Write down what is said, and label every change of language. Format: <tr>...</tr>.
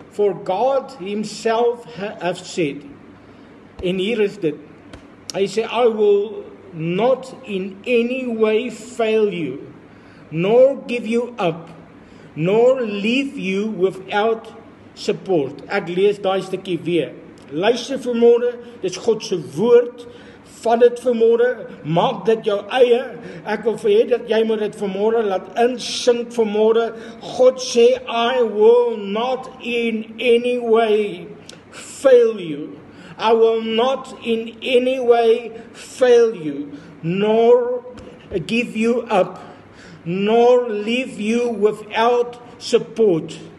<en>For God himself have said, and here is that, I say, I will not in any way fail you, nor give you up, nor leave you without support.</en> <af>Ek lees daai stukkie weer. Luister vanmôre, dis God se woord. Vat dit vanmôre, maak dit jou eie. Ek wil vir hê dat jy moet dit vanmôre laat insink vanmôre. God sê</af> <en>I will not in any way fail you. I will not in any way fail you, nor give you up, nor leave you without support.</en>